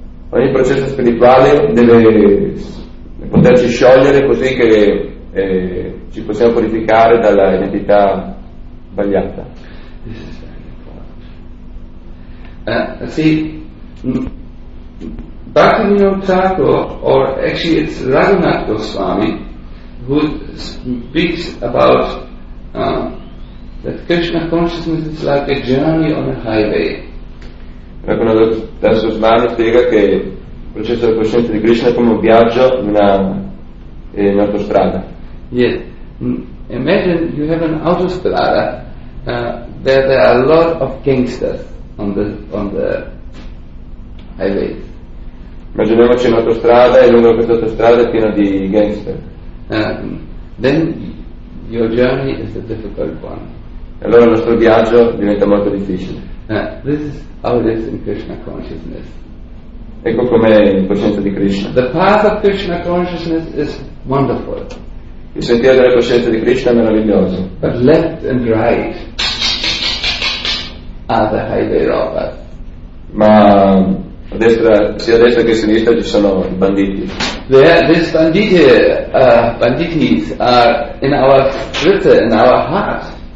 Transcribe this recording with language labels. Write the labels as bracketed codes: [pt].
[it] Ogni processo spirituale deve poterci sciogliere così che ci possiamo purificare dalla identità sbagliata. [en] Bhaktivinoda Thakur, or actually it's Raghunath Goswami, who speaks about that Krishna consciousness is like a journey on a highway. [it] Raghunath Goswami spiega che il processo di coscienza di Krishna è come un viaggio in autostrada. Yes. [en] Imagine you have an autostrada where there are a lot of gangsters on the highway. [it] Immaginiamoci un'autostrada e lungo questa autostrada è piena di gangster. [en] Then your journey is a difficult one. [it] E allora il nostro viaggio diventa molto difficile. [en] This is how it is in Krishna consciousness. [it] Ecco com'è in coscienza di Krishna. [en] The path of Krishna consciousness is wonderful. [it] Il sentiero della coscienza di Krishna è meraviglioso. [en] But left and right are the highway robbers. [it] Ma a destra, sia a destra che a sinistra ci sono i banditi. [en] These banditi are in our spirit, in our heart.